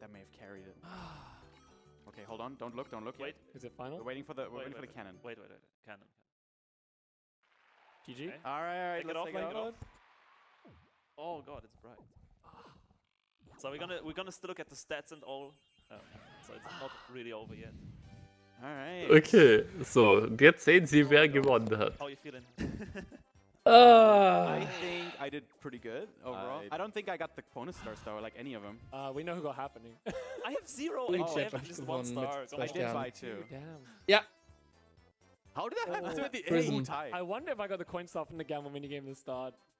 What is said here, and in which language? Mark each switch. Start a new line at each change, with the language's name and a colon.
English: That may have carried it. Okay, hold on. Don't look. Wait. Is it final? We're waiting for the cannon. Wait. Cannon. GG? Okay. Alright. Take it off. Oh god, it's bright. So we're gonna still look at the stats and all. So it's not really over yet. Alright.
German: Okay, so, jetzt sehen Sie, wer gewonnen hat.
English: How are you feeling? I think I did pretty good overall. I don't think I got the bonus stars though, like any of them. We know who got happening. I have zero HM, just one star. I did buy two. Damn. Yeah. How did that happen to the prison. A tie? I wonder if I got the coin star from the gamble minigame to start.